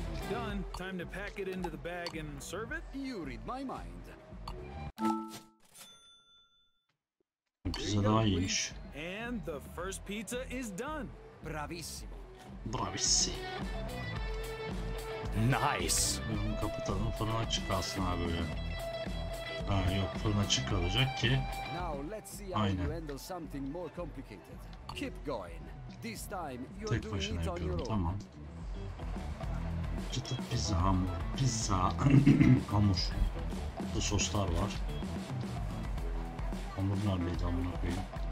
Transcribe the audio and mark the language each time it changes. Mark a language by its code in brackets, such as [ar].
[en] Done. Time to pack it into the bag and serve it? You read my mind. [tr] Pizza daha iyiymiş. [en] And the first pizza is done. [it] Bravissimo. Bravissimo. [en] Nice. [tr] Bunu kapatalım, fırın açık kalsın abi böyle. Ha yok, fırın açık kalacak ki. [en] Now let's see how you handle something more complicated. Keep going. This time you're doing it on your own. [tr] Tek başına yapıyorum, tamam. Çıtır pizza hamur. Pizza hamur. Bu soslar var. Hamur neredeydi amına koyayım?